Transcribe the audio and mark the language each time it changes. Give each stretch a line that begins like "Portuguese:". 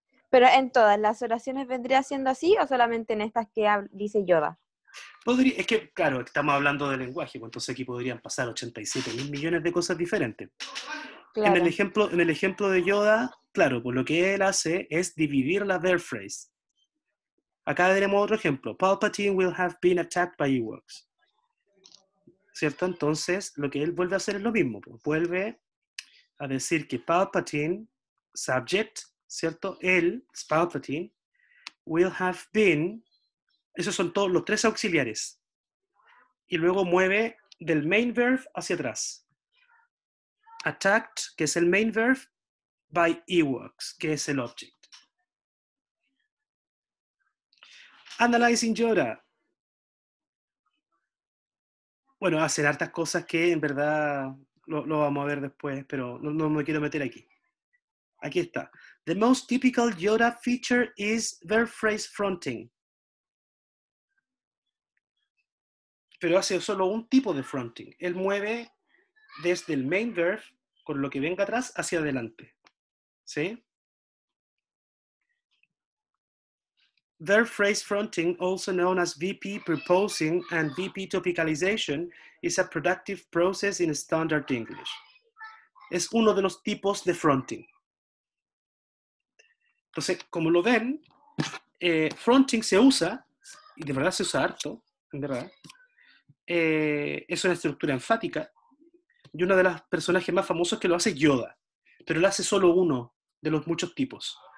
Spanish: ¿Pero en todas las oraciones vendría siendo así o solamente en estas que dice Yoda? Podría, es que, claro, estamos hablando de lenguaje, entonces aquí podrían pasar 87 mil millones de cosas diferentes. Claro. En el ejemplo de Yoda, claro, pues lo que él hace es dividir la verb phrase. Acá tenemos otro ejemplo.
English: Palpatine will have been attacked by Ewoks.
Spanish: ¿Cierto? Entonces, lo que él vuelve a hacer es lo mismo. Vuelve a decir que Palpatine, subject, ¿cierto? Él, Palpatine,
English: will have been,
Spanish: esos son todos los tres auxiliares. Y luego mueve del main verb hacia atrás. Attacked, que es el main verb,
English: by Ewoks,
Spanish: que es el object.
English: Analyzing Yoda.
Spanish: Bueno, hacer hartas cosas que en verdad lo vamos a ver después, pero no me quiero meter aquí. Aquí está.
English: The most typical Yoda feature is verb phrase fronting.
Spanish: Pero hace solo un tipo de fronting. Él mueve desde el main verb con lo que venga atrás, hacia adelante. ¿Sí?
English: Verb phrase fronting, also known as VP proposing and VP topicalization, is a productive process in standard English.
Spanish: Es uno de los tipos de fronting. Entonces, como lo ven, fronting se usa, y de verdad se usa harto, en verdad. Es una estructura enfática, y uno de los personajes más famosos que lo hace es Yoda, pero lo hace solo uno de los muchos tipos.